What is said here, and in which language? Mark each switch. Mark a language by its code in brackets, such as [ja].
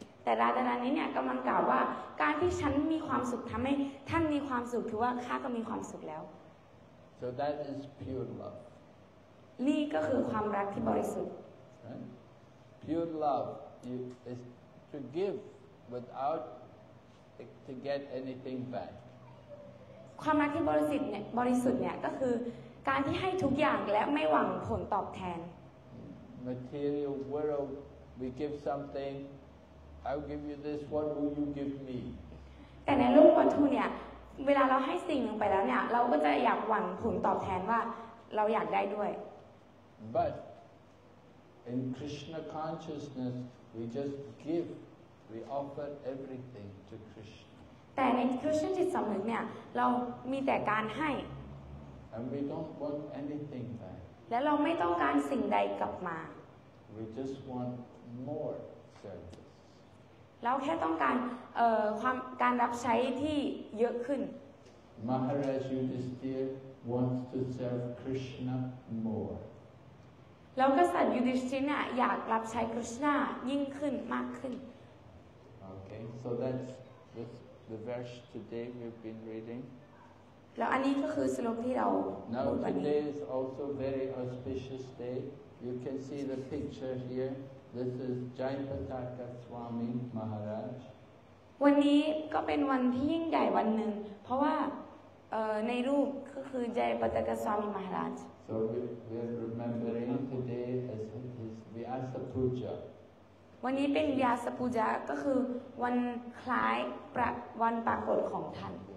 [th] แต่ราดารานี้เนี่ยกำลังกล่าวว่าการที่ฉันมีความสุขทำให้ท่านมีความสุขถือว่าข้าก็มีความสุขแล้ว [en] So that is pure love [th] นี่ก็คือความรักที่บริสุทธิ์ [en] Pure love is to give without to get anything back [th] ความรักที่บริสุทธิ์เนี่ยก็คือการที่ให้ทุกอย่างและไม่หวังผลตอบแทน [en] Material world we give somethingI'll give you this. What will you give me? [th] แต่ในโลกวัตถุเนี่ยเวลาเราให้สิ่งหนึ่งไปแล้วเนี่ยเราก็จะอยากหวังผลตอบแทนว่าเราอยากได้ด้วย [en] But in Krishna consciousness, we just give. We offer everything to Krishna. [th] แต่ใน Krishna จิตสำนึกเนี่ยเรามีแต่การให้ [en] And we don't want anything back. [th] และเราไม่ต้องการสิ่งใดกลับมา [en] We just want more service. [th] เราแค่ต้องการความการรับใช้ที่เยอะขึ้น [en] Maharaj Yudhisthira wants to serve Krishna more [th] แล้วก็สัตว์ Yudhisthira อยากรับใช้ Krishna ยิ่งขึ้นมากขึ้น [en] Okay so that's the verse today we've been reading [th] แล้วอันนี้ก็คือสโลกที่เรา [en] Now today is also very auspicious day you can see the picture hereThis is Jayaprakasha Swami Maharaj. [th] วันนี้ก็เป็นวันที่ยิ่งใหญ่วันหนึ่งเพราะว่าในรูปก็คือ Jayaprakasha Swami Maharaj. [en] So we are remembering today as his Vyasa Puja. [th] วันนี้เป็น Vyasa Puja ก็คือวันคล้ายวันปรากฏของท่าน